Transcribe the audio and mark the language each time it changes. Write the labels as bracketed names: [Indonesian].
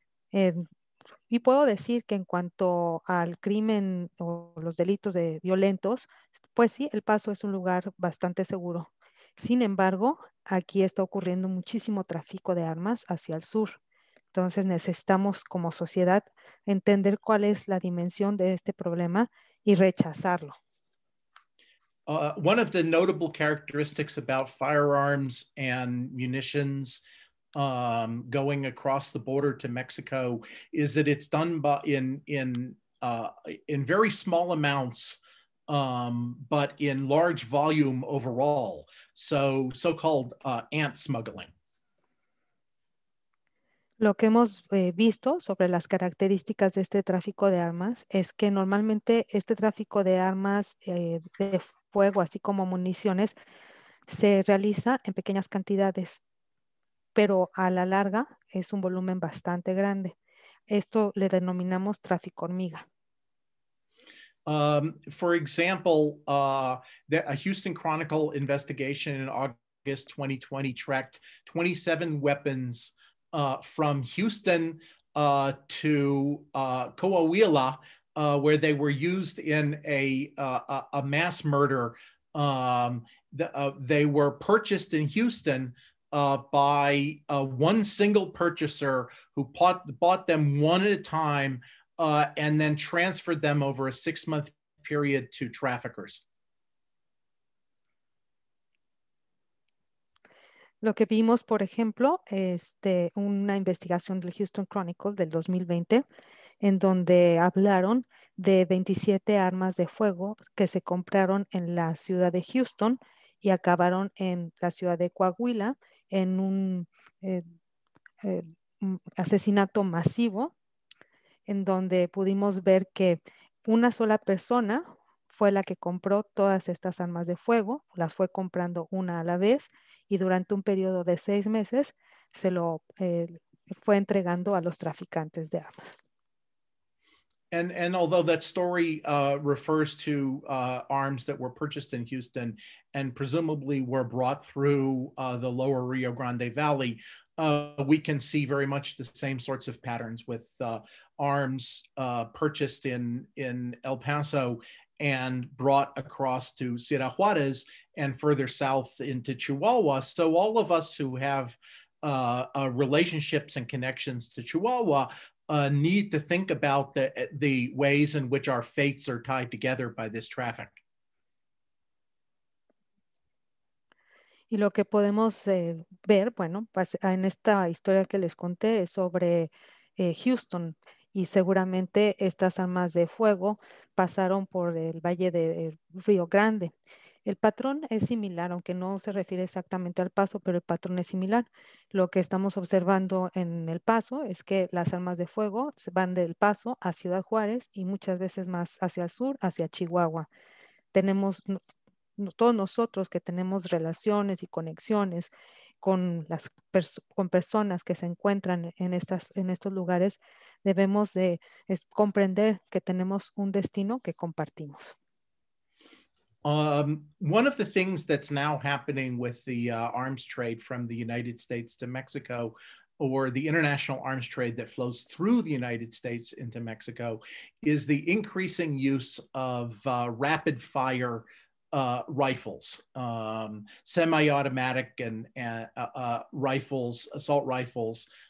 [Spanish] Y puedo decir que en cuanto al crimen o los delitos de violentos, pues sí, El Paso es un lugar bastante seguro. Sin embargo, aquí está ocurriendo muchísimo tráfico de armas hacia el sur. Entonces necesitamos como sociedad entender cuál es la dimensión de este problema y rechazarlo. [English] One of the notable characteristics about firearms and munitions going across the border to Mexico is that it's done in very small amounts, but in large volume overall. So-called ant smuggling. [Spanish] Lo que hemos visto sobre las características de este tráfico de armas es que normalmente este tráfico de armas de fuego, así como municiones, se realiza en pequeñas cantidades, pero a la larga es un volumen bastante grande. Esto le denominamos tráfico hormiga. [English] For example, a Houston Chronicle investigation in August 2020 tracked 27 weapons from Houston to Coahuila, where they were used in a mass murder. They were purchased in Houston by one single purchaser who bought them one at a time and then transferred them over a 6-month period to traffickers. [Spanish] Lo que vimos, por ejemplo, una investigación del Houston Chronicle del 2020, en donde hablaron de 27 armas de fuego que se compraron en la ciudad de Houston y acabaron en la ciudad de Coahuila en un asesinato masivo, en donde pudimos ver que una sola persona fue la que compró todas estas armas de fuego, las fue comprando una a la vez y durante un periodo de 6 meses se lo fue entregando a los traficantes de armas. [English] And although that story refers to arms that were purchased in Houston and presumably were brought through the lower Rio Grande Valley, we can see very much the same sorts of patterns with arms purchased in El Paso and brought across to Ciudad Juarez and further south into Chihuahua. So all of us who have relationships and connections to Chihuahua need to think about the ways in which our fates are tied together by this traffic. [Spanish] Y lo que podemos ver, bueno, pues, en esta historia que les conté es sobre Houston, y seguramente estas armas de fuego pasaron por el valle del Río Grande. El patrón es similar, aunque no se refiere exactamente al paso, pero el patrón es similar. Lo que estamos observando en el paso es que las armas de fuego van del paso a Ciudad Juárez y muchas veces más hacia el sur, hacia Chihuahua. Tenemos, todos nosotros que tenemos relaciones y conexiones con las con personas que se encuentran en estas, en estos lugares, debemos de comprender que tenemos un destino que compartimos. [English] One of the things that's now happening with the arms trade from the United States to Mexico, or the international arms trade that flows through the United States into Mexico, is the increasing use of rapid fire rifles, semi-automatic rifles, assault rifles.